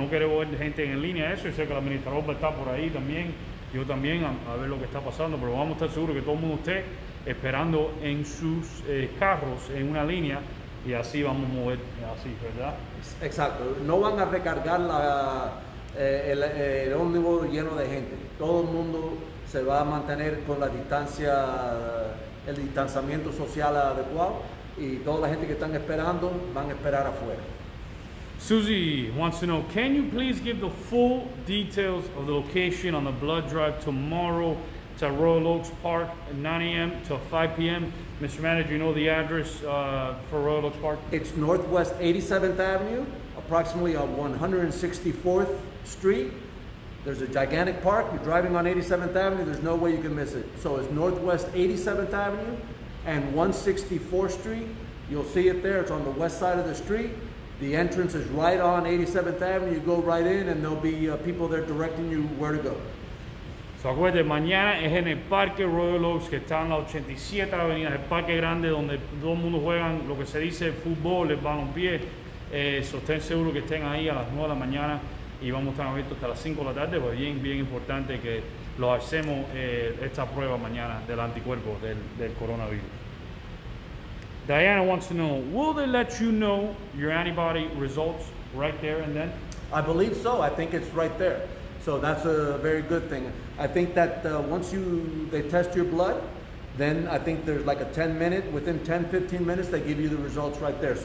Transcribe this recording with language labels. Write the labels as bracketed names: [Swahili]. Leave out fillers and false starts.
[Spanish] No queremos ver gente en línea, eso, y sé que el administrador va a estar por ahí también, yo también, a ver lo que está pasando, pero vamos a estar seguros que todo el mundo esté esperando en sus carros, en una línea, y así vamos a mover, así, ¿verdad? Exacto, no van a recargar el ómnibus lleno de gente. Todo el mundo se va a mantener con la distancia, el distanciamiento social adecuado, y toda la gente que están esperando van a esperar afuera. [English] Susie wants to know, can you please give the full details of the location on the blood drive tomorrow to Royal Oaks Park at 9 a.m. to 5 p.m.? Mr. Manager, you know the address for Royal Oaks Park? It's Northwest 87th Avenue, approximately on 164th Street. There's a gigantic park. You're driving on 87th Avenue, there's no way you can miss it. So it's Northwest 87th Avenue and 164th Street. You'll see it there. It's on the west side of the street. The entrance is right on 87th Avenue. You go right in and there'll be people there directing you where to go. [Spanish] So acuérdate, mañana es en el Parque Royal Oaks, que está en la 87 Avenida, el parque grande donde todo el mundo juega lo que se dice fútbol, el balompié. So estén seguros que estén ahí a las 9 de la mañana y vamos a estar abiertos hasta las 5 de la tarde, pues bien, bien importante que lo hacemos esta prueba mañana del anticuerpo del coronavirus. [English] Diana wants to know, will they let you know your antibody results right there and then? I believe so. I think it's right there. So that's a very good thing. I think that once they test your blood, then I think there's like a 10 minute, within 10, 15 minutes, they give you the results right there.